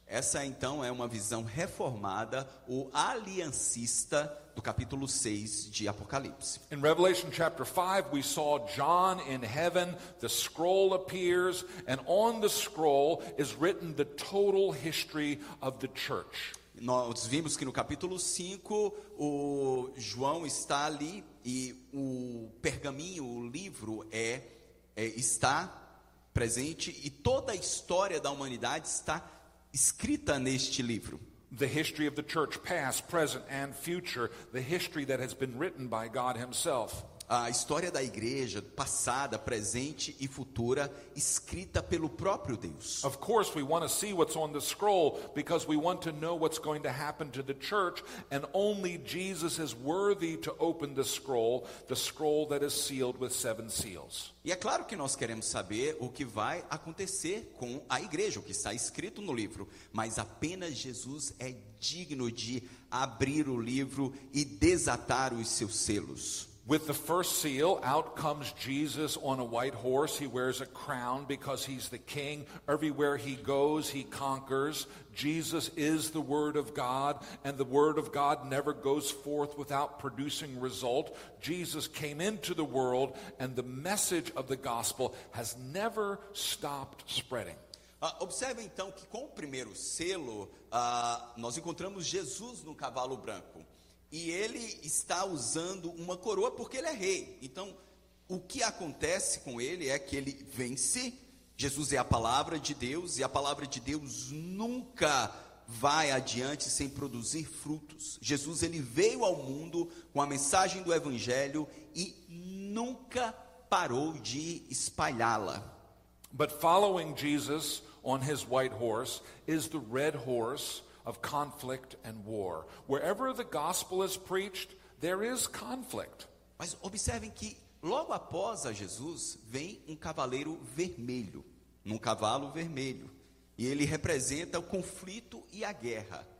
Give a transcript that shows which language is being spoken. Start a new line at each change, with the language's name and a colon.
Portuguese: Essa então é uma visão reformada ou aliancista do capítulo 6 de Apocalipse.
English: In Revelation chapter 5, we saw John in heaven, the scroll appears, and on the scroll is written the total history of the church.
Portuguese: Nós vimos que no capítulo 5, o João está ali e o pergaminho, o livro está presente e toda a história da humanidade está escrita neste livro.
English: The history of the church, past, present and future, the history that has been written by God himself.
Portuguese: A história da igreja, passada, presente e futura, escrita pelo próprio Deus.
English: Of course we want to see what's on the scroll because we want to know what's going to happen to the church, and only Jesus is worthy to open the scroll that is sealed with seven seals.
Portuguese: E é claro que nós queremos saber o que vai acontecer com a igreja, o que está escrito no livro, mas apenas Jesus é digno de abrir o livro e desatar os seus selos.
English: With the first seal, out comes Jesus on a white horse. He wears a crown because he's the king. Everywhere he goes, he conquers. Jesus is the Word of God, and the Word of God never goes forth without producing result. Jesus came into the world, and the message of the gospel has never stopped spreading.
Portuguese: Observe então que com o primeiro selo, nós encontramos Jesus no cavalo branco. E ele está usando uma coroa porque ele é rei. Então, o que acontece com ele é que ele vence. Jesus é a palavra de Deus e a palavra de Deus nunca vai adiante sem produzir frutos. Jesus, ele veio ao mundo com a mensagem do Evangelho e nunca parou de espalhá-la.
English: But following Jesus on his white horse is the red horse of conflict and war. Wherever the gospel is preached, there is conflict.
Portuguese: Mas observem que logo após a Jesus vem um cavaleiro vermelho, num cavalo vermelho, e ele representa o conflito e a guerra.